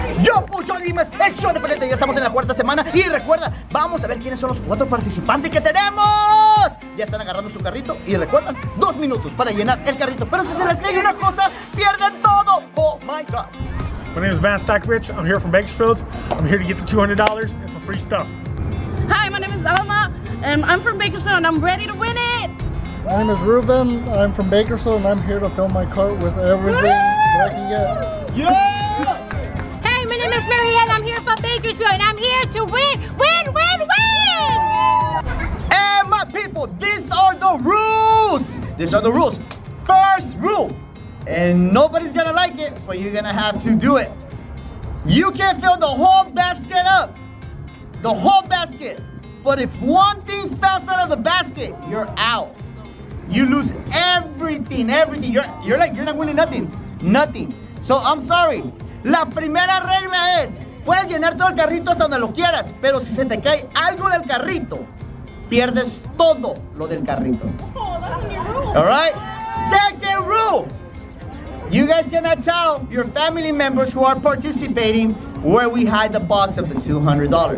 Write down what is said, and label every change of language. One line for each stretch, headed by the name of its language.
Spanish: Yo, Pucho Dimas, el show de Pelete. Ya estamos en la cuarta semana. Y recuerda, vamos a ver quiénes son los cuatro participantes que tenemos. Ya están agarrando su carrito. Y recuerdan, 2 minutos para llenar el carrito. Pero si se les cae una cosa, pierden todo.
English: Oh, my God. My name is Van Stakovich. I'm here from Bakersfield. I'm here to get the $200 and some free stuff. Hi, my name is Alma, and I'm from Bakersfield, and I'm ready to win it. My name is Ruben. I'm from Bakersfield, and I'm here to fill my cart with everything that I can get. Yeah! Hey, my name is Marianne. I'm here from Bakersfield, and I'm here to win, win, win, win! And my people, these are the rules! These are the rules. First rule. And nobody's gonna like it, but you're gonna have to do it. You can fill the whole basket up. The whole basket. But if one thing falls out of the basket, you're out. You lose everything, everything. You're not winning nothing. Nothing. So I'm sorry.
Spanish: La primera regla es, puedes llenar todo el carrito hasta donde lo quieras, pero si se te cae algo del carrito, pierdes todo lo del carrito.
English: All right? Second rule. You guys gonna tell your family members who are participating where we hide the box of the $200.